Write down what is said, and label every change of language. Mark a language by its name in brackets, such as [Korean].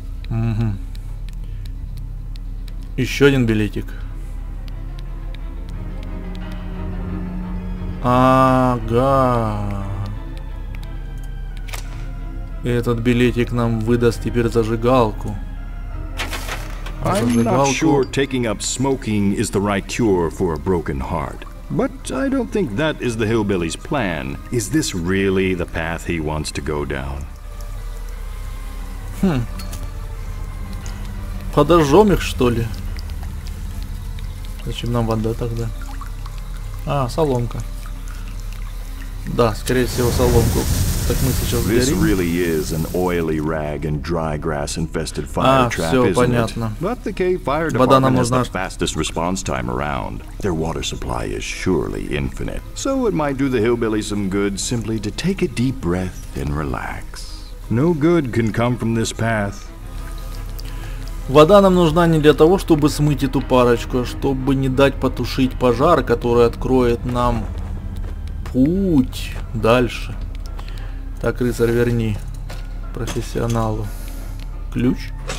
[Russian] Угу. Еще один билетик. Ага. Этот билетик нам выдаст теперь зажигалку. [English] I'm not sure taking up smoking is the right cure for a broken heart. But I don't think that is the hillbilly's plan. Is this really the path he wants to go down? [Russian] Подожжем их, что ли? Зачем нам вода тогда? А, соломка. Да, скорее всего, соломку. [English] This really is an oily rag and dry grass infested fire trap, isn't [Russian] понятно. [English] It? But the cave fire department has the fastest response time around. Their water supply is surely infinite. So it might do the hillbilly some good simply to take a deep breath and relax. No good can come from this path. [Russian] Вода нам нужна не для того, чтобы смыть эту парочку, а чтобы не дать потушить пожар, который откроет нам путь дальше. Так, рыцарь, верни профессионалу ключ.